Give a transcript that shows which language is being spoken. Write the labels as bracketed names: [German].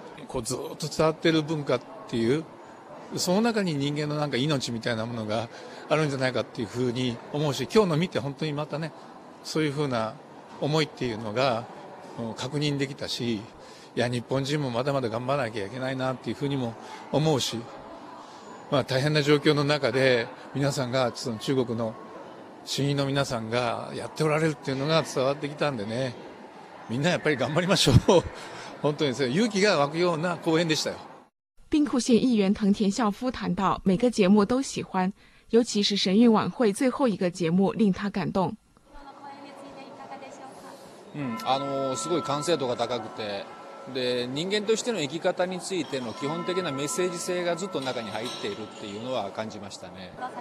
[Japanese] こうずっと伝わってる文化っていう、その中に人間のなんか命みたいなものがあるんじゃないかっていうふうに思うし、今日の見て本当にまたね、そういうふうな思いっていうのが確認できたし、いや日本人もまだまだ頑張らなきゃいけないなっていうふうにも思うし、まあ大変な状況の中で皆さんが、その中国の神医の皆さんがやっておられるっていうのが伝わってきたんでね、みんなやっぱり頑張りましょう。本当に勇気が湧くような公演でしたよ。 [Chinese] 兵庫县议员藤田孝夫谈到，每个节目都喜欢，尤其是神韵晚会最后一个节目令他感动。 [Japanese] すごい完成度が高くて、で人間としての生き方についての基本的なメッセージ性がずっと中に入っているっていうのは感じましたね。